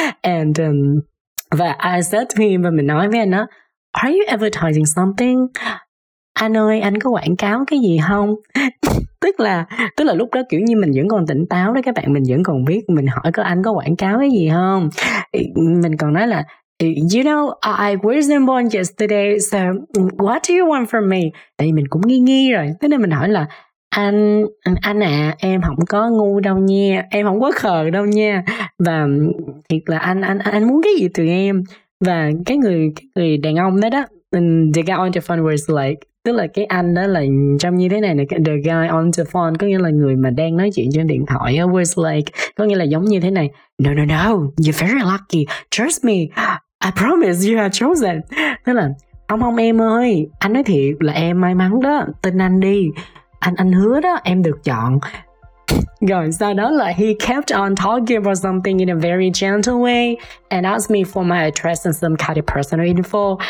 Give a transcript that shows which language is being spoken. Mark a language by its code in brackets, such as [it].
[en] And và I said to him, [vi] và mình nói với anh đó, [en] are you advertising something? [vi] Anh ơi, anh có quảng cáo cái gì không? tức là lúc đó kiểu như mình vẫn còn tỉnh táo đó các bạn, mình vẫn còn biết, mình hỏi có anh có quảng cáo cái gì không? Mình còn nói là, [en] you know, I wasn't born yesterday, so what do you want from me? [vi] Tại vì mình cũng nghi nghi rồi, thế nên mình hỏi là anh à, em không có ngu đâu nha, em không có khờ đâu nha, và thiệt là anh muốn cái gì từ em? Và cái người đàn ông đó đó, [en] the guy on the phone was like, [vi] tức là cái anh đó là trong như thế này nè, [en] the guy on the phone [vi] có nghĩa là người mà đang nói chuyện trên điện thoại, [en] was like, [vi] có nghĩa là giống như thế này, [en] no no no, you're very lucky, trust me, I promise you are chosen. [vi] Tức là ông em ơi, anh nói thiệt là em may mắn đó, tin anh đi, anh hứa đó, em được chọn. Rồi sau đó là [en] he kept on talking about something in a very gentle way and asked me for my address and some kind of personal info.